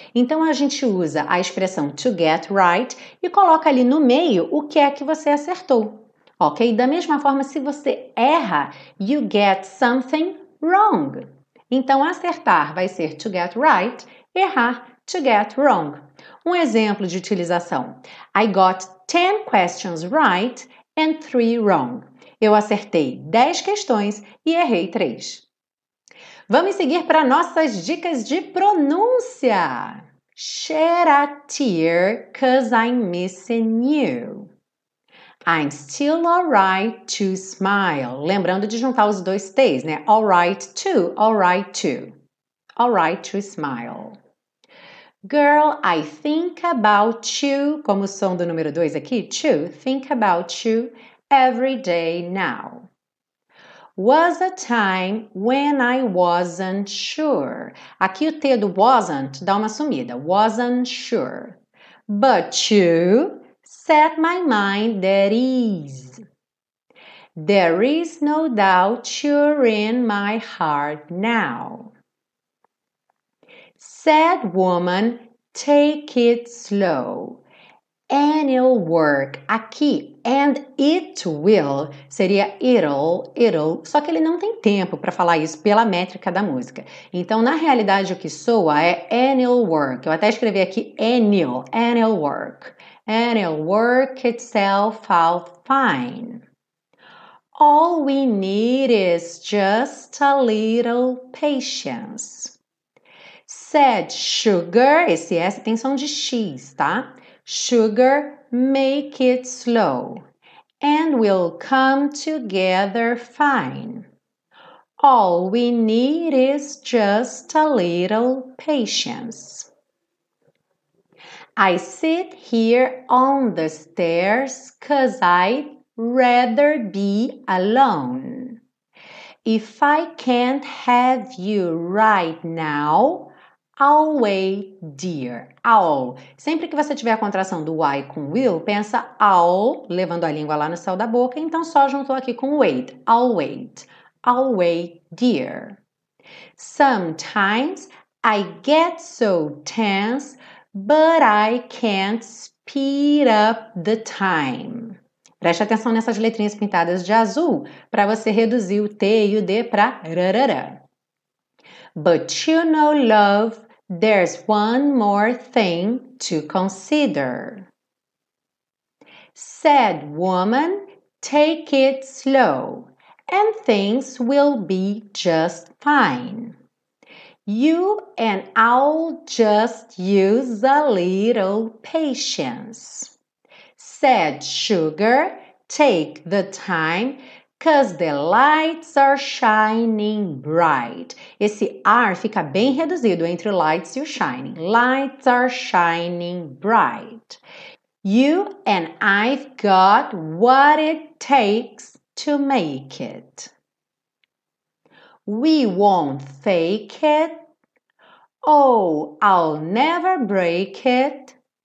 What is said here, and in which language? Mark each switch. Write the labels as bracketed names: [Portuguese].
[Portuguese] Então a gente usa a expressão to get right e coloca ali no meio o que é que você acertou. Ok? Da mesma forma, se você erra, [English] you get something wrong. [Portuguese] Então acertar vai ser to get right, errar, to get wrong. Um exemplo de utilização. [English] I got 10 questions right and 3 wrong. [Portuguese] Eu acertei 10 questões e errei 3. Vamos seguir para nossas dicas de pronúncia. [English] Shed a tear, 'cause I'm missing you. I'm still alright to smile. [Portuguese] Lembrando de juntar os dois T's, né? [English] Alright to, alright to. Alright to smile. Girl, I think about you. [Portuguese] Como o som do número 2 aqui, to. [English] Think about you every day now. Was a time when I wasn't sure. [Portuguese] Aqui o T do wasn't dá uma sumida. [English] Wasn't sure. But you set my mind at ease. There is no doubt you're in my heart now. Said woman, take it slow. And it'll work. [Portuguese] Aqui, [English] and it will, [Portuguese] seria it'll, só que ele não tem tempo para falar isso pela métrica da música. Então, na realidade, o que soa é [English] and it'll work. [Portuguese] Eu até escrevi aqui and it'll work. [English] And it'll work itself out fine. All we need is just a little patience. Said sugar, [Portuguese] esse S tem som de X, tá? [English] Sugar, make it slow, and we'll come together fine. All we need is just a little patience. I sit here on the stairs, 'cause I'd rather be alone. If I can't have you right now, I'll wait, dear. I'll. [Portuguese] Sempre que você tiver a contração do I com will, pensa I'll, levando a língua lá no céu da boca, então só juntou aqui com wait. [English] I'll wait. I'll wait, dear. Sometimes I get so tense, but I can't speed up the time. [Portuguese] Preste atenção nessas letrinhas pintadas de azul para você reduzir o T e o D para rarara. [English] But you know, love, there's one more thing to consider. Said woman, take it slow, and things will be just fine. You and I'll just use a little patience. Said sugar, take the time, 'cause the lights are shining bright. [Portuguese] Esse R fica bem reduzido entre o lights e o shining. [English] Lights are shining bright. You and I've got what it takes to make it. We won't fake it. Oh, I'll never break it.